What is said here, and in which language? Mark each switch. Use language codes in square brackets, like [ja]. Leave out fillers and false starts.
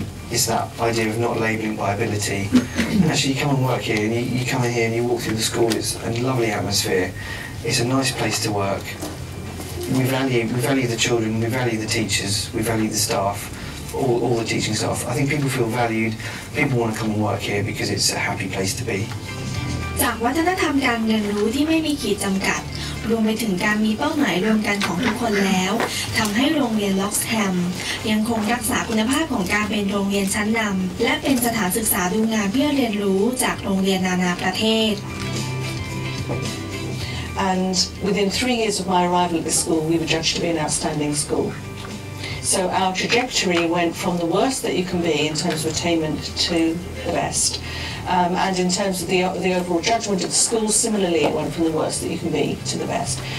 [en] It's that idea of not labelling by ability. And actually, you come and work here, and you come in here and you walk through the school, it's a lovely atmosphere. It's a nice place to work. We value the children, we value the teachers, we value the staff, all the teaching staff. I think people feel valued, people want to come and work here because it's a happy place to be. [th] จากวัฒนธรรมการเรียนรู้ที่ไม่มีขีดจำกัดรวมไปถึงการมีเป้าหมายรวมกันของทุกคนแล้วทำให้โรงเรียนWroxhamยังคงรักษาคุณภาพของการเป็นโรงเรียนชั้นนำและเป็นสถานศึกษาดูงานเพื่อเรียนรู้จากโรงเรียนนานาประเทศ [en] And within 3 years of my arrival at the school, we were judged to be an outstanding school. So our trajectory went from the worst that you can be in terms of attainment to the best. And in terms of the overall judgment of the school, similarly, it went from the worst that you can be to the best.